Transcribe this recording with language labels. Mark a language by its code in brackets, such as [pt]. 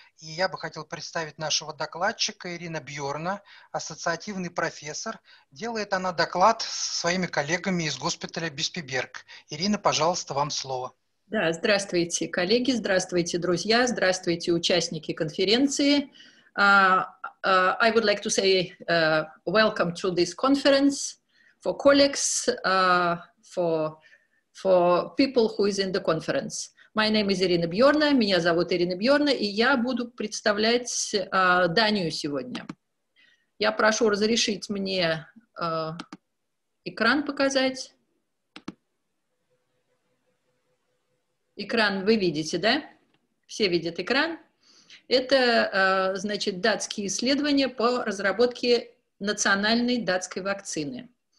[ru] И я бы хотел представить нашего докладчика Ирина Бьорна, ассоциативный профессор. Делает она доклад со своими коллегами из госпиталя Биспеберг. Ирина, пожалуйста, вам слово. Да, здравствуйте, коллеги, здравствуйте, друзья, здравствуйте, участники конференции. [en] I would like to say welcome to this conference for colleagues, for people who is in the conference. My name is [ru] Ирина Бьорна, меня зовут Ирина Бьорна, и я буду представлять Данию сегодня. Я прошу разрешить мне экран показать. Экран вы видите, да? Все видят экран. Это, значит, датские исследования по разработке национальной датской вакцины.